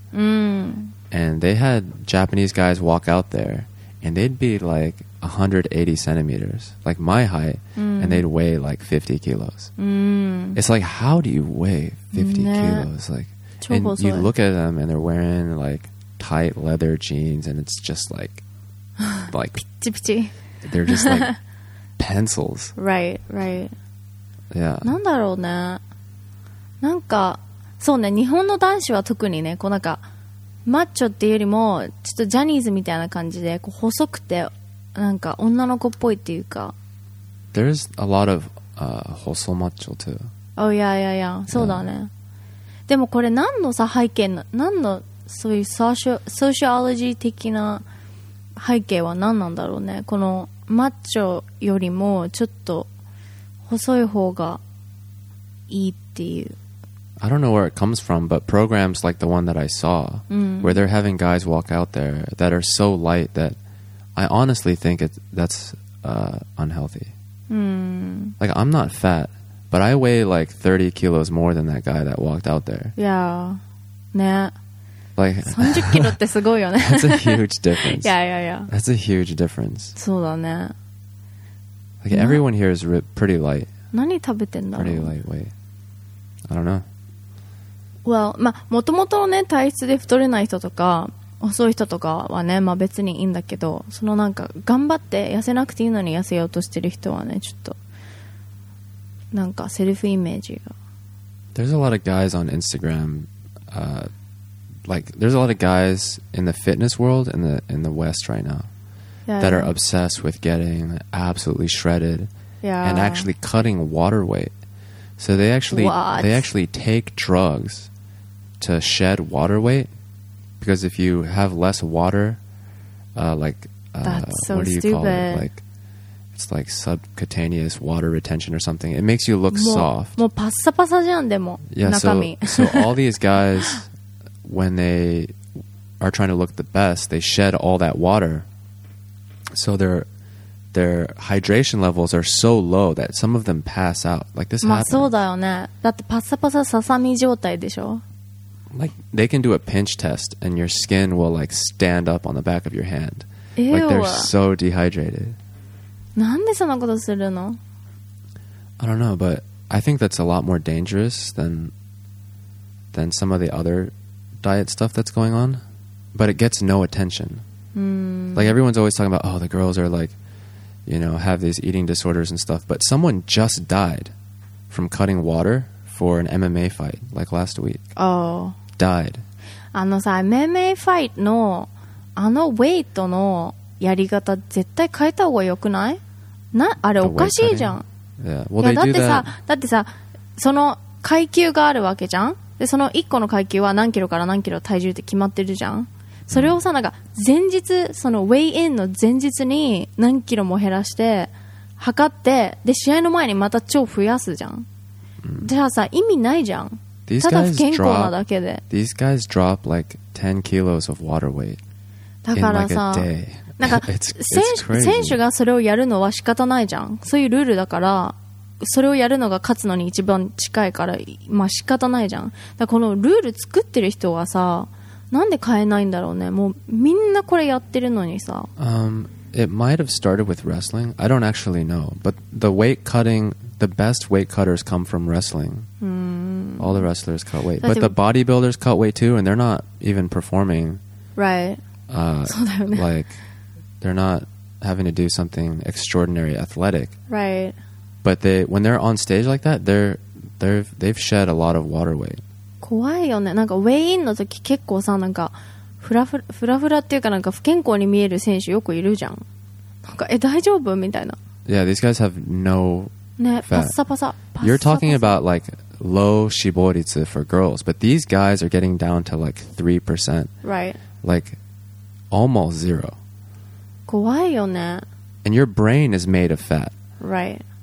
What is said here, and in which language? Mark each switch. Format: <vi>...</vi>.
<en>And they had Japanese guys walk out there, and they'd be like 180 centimeters, like my height, and they'd weigh like 50 kilos. It's like, how do you weigh 50 kilos? Like, and you look at them and they're wearing like tight leather jeans, and it's just like, like they're just like pencils. Right, right. Yeah.</en> <ja>なんだろうね。なんかそうね、日本の男子は特にね、こうなんかマッチョっていうよりもちょっとジャニーズみたいな感じで、こう細くてなんか女の子っぽいっていうか。</ja> <en>There's a lot of hoso macho too. Oh yeah, yeah, yeah.</en> <ja>そうだね。でもこれ何のさ背景な、何のそういうソーシオロジー的な背景は何なんだろうね。このマッチョよりもちょっと細い方がいいっていう。</ja> <en>I don't know where it comes from, but programs like the one that I saw, where they're having guys walk out there that are so light that I honestly think that's unhealthy. Like, I'm not fat, but I weigh like 30 kilos more than that guy that walked out there. Yeah.</en> <ja>ね。</ja> <en>Like,</en> <ja>30 kilos ってすごいよね。</ja> <en>That's a huge difference. Yeah, yeah, yeah. That's a huge difference.</en> <ja>そうだね。</ja> <en>Like, everyone here is pretty light.</en> <ja>何食べてんだろう?</ja> <en>Pretty lightweight. I don't know.</en> <ja>Well, まあ、もともとのね、体質で太れない人とか、細い人とかはね、まあ別にいいんだけど、そのなんか、頑張って痩せなくていいのに痩せようとしてる人はね、ちょっと、なんかセルフイメージが。</ja> <en>There's a lot of guys on Instagram, like, there's a lot of guys in the fitness world in the West right now, that are obsessed with getting absolutely shredded, and actually cutting water weight. So they actually, they actually take drugs to shed water weight, because if you have less water, that's so what do you stupid. Call it? Like, it's like subcutaneous water retention or something. It makes you look soft.</en> <ja>もうパッサパサじゃん、でも。</ja> <en>Yeah, so all these guys, when they are trying to look the best, they shed all that water. So their hydration levels are so low that some of them pass out. Like this happens.</en> <ja>まあそうだよね。だってパッサパサささみ状態でしょ。</ja> <en>Like they can do a pinch test and your skin will like stand up on the back of your hand. Ew. Like they're so dehydrated.</en> <ja>なんでそんなことするの?</ja> <en>I don't know, but I think that's a lot more dangerous than some of the other diet stuff that's going on. But it gets no attention. Like everyone's always talking about, oh, the girls are like, you know, have these eating disorders and stuff, but someone just died from cutting water for an MMA fight, like last week. Oh. Died.</en> <ja>あのさ、MMA ファイトのあのウェイトのやり方絶対変えた方がよくない? な、あれおかしいじゃん。</ja> <en>Yeah. Well, they do that.</en> <ja>だってさ、その階級があるわけじゃん。で、その一個の階級は何キロから何キロ体重って決まってるじゃん。それをさ、なんか前日、そのウェイインの前日に何キロも減らして測って、で試合の前にまた超増やすじゃん。じゃあさ、意味ないじゃん。ただ不健康なだけで。</ja> <en>These guys drop like 10 kilos of water weight.</en> <ja>だからさ、なんか選手がそれをやるのは仕方ないじゃん。そういうルールだから、それをやるのが勝つのに一番近いから、まあ仕方ないじゃん。だからこのルール作ってる人はさ、なんで変えないんだろうね。もうみんなこれやってるのにさ。</ja> <en>It might have started with wrestling. I don't actually know. But the weight cutting, the best weight cutters come from wrestling. All the wrestlers cut weight. But the bodybuilders cut weight too, and they're not even performing. Right.</en> <ja>そうだよね。</ja> <en>Like, they're not having to do something extraordinary athletic. Right. But when they're on stage like that, they've shed a lot of water weight.</en> <ja>怖いよね。なんかウェイインの時結構さ、なんかフラフラっていうか、なんか不健康に見える選手よくいるじゃん。なんか、え、大丈夫みたいな。</ja> <en>Yeah, these guys have no</en> <ja>ね、</ja> <en>fat.</en> <ja>パッサパサ。</ja> <en>You're talking about like low 脂肪率 for girls, but these guys are getting down to like 3%. Right. Like, almost zero.</en> <ja>怖いよね。</ja> <en>And your brain is made of fat. Right.</en>